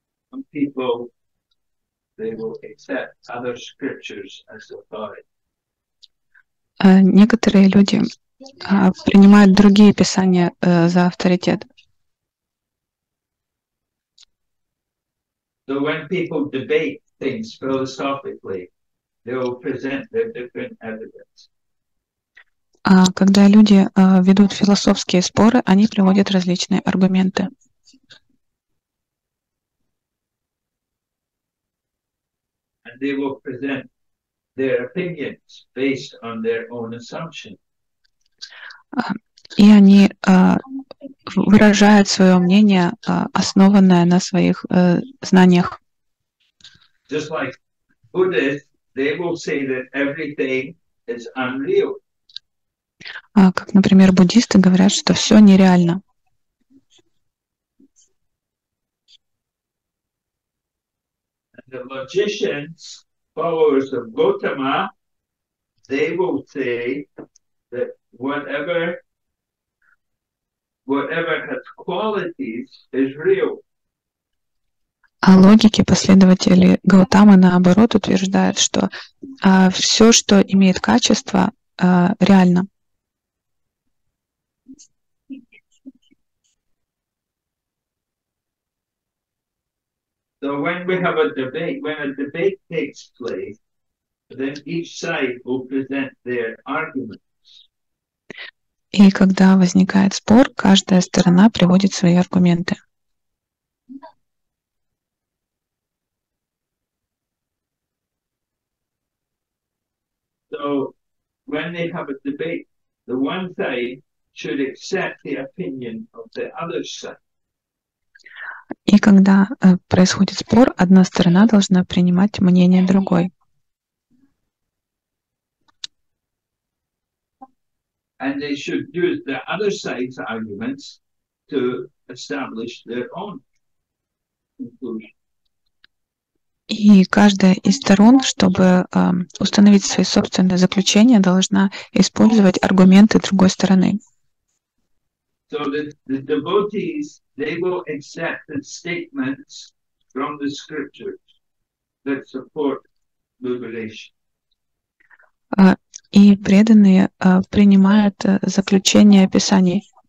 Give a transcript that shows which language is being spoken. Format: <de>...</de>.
<en>Some people, they will accept other scriptures as authority.</en> <ru>Некоторые люди принимают другие писания за авторитет.</ru> <en>So when people debate things philosophically, they will present their different evidence.</en> <ru>Когда люди ведут философские споры, они приводят различные аргументы.</ru> <en>And they will present their opinions based on their own assumption.</en> <ru>И они выражают свое мнение, основанное на своих знаниях.</ru> <en>Just like Buddhists, they will say that everything is unreal.</en> <ru>Как, например, буддисты говорят, что все нереально.</ru> <en>And the logicians, followers of Gautama, they will say that whatever has qualities is real.</en> <ru>А логики последователи Гаутамы наоборот утверждают, что все, что имеет качество, реально.</ru> <en>So when we have a debate, when a debate takes place, then each side will present their arguments.</en> <ru>И когда возникает спор, каждая сторона приводит свои аргументы.</ru> <en>So when they have a debate, the one side should accept the opinion of the other side.</en> <ru>И когда происходит спор, одна сторона должна принимать мнение другой.</ru> <en>And they should use the other side's arguments to establish their own conclusion.</en> <ru>И каждая из сторон, чтобы установить свои собственные заключения, должна использовать аргументы другой стороны.</ru> <en>So the devotees, they will accept the statements from the scriptures that support liberation.</en> <ru>И преданные принимают заключение Писаний.</ru>